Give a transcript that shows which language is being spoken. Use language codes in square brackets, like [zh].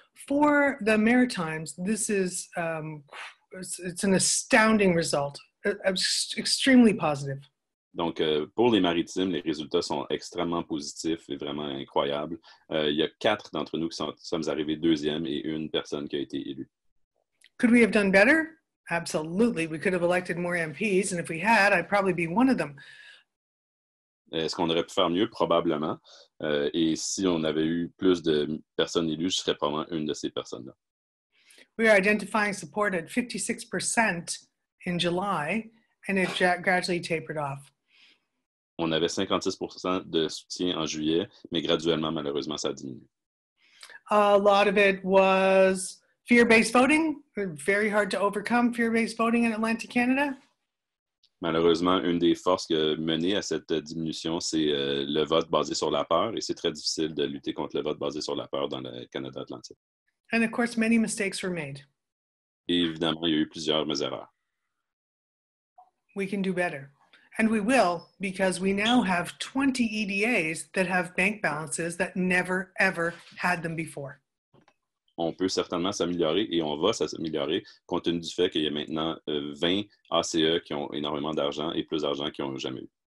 [en] For the Maritimes, this is it's an astounding result. Extremely positive. [fr] Donc, pour les maritimes, les résultats sont extrêmement positifs et vraiment incroyables. Il y a quatre d'entre nous qui sommes arrivés deuxième et une personne qui a été élue. [en] Could we have done better? Absolutely. We could have elected more MPs, and if we had, I'd probably be one of them. [fr] Est-ce qu'on aurait pu faire mieux? Probablement. Et si on avait eu plus de personnes élues, je serais probablement une de ces personnes-là. [en] We are identifying support at 56%. In July, and it gradually tapered off. [fr] On avait 56% de soutien en juillet, mais graduellement, malheureusement, ça a diminué. [en] A lot of it was fear-based voting. Very hard to overcome fear-based voting in Atlantic Canada. [fr] Malheureusement, une des forces qui a mené à cette diminution, c'est le vote basé sur la peur, et c'est très difficile de lutter contre le vote basé sur la peur dans le Canada Atlantique. [en] And of course, many mistakes were made. [fr] Et évidemment, il y a eu plusieurs erreurs. [en] We can do better. And we will, because we now have 20 EDAs that have bank balances that never, ever had them before. [fr] On peut certainement s'améliorer et on va s'améliorer compte tenu du fait qu'il y a maintenant 20 ACE qui ont énormément d'argent et plus d'argent qu'ils n'ont jamais eu.